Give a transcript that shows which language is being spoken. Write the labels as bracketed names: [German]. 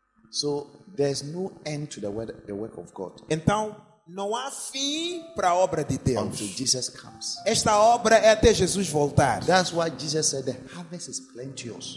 [English] So there's no end to the work of God. [Portuguese] Então não há fim para a obra de Deus. [English] Until Jesus comes. [Portuguese] Esta obra é até Jesus voltar. [English] That's why Jesus said the harvest is plenteous.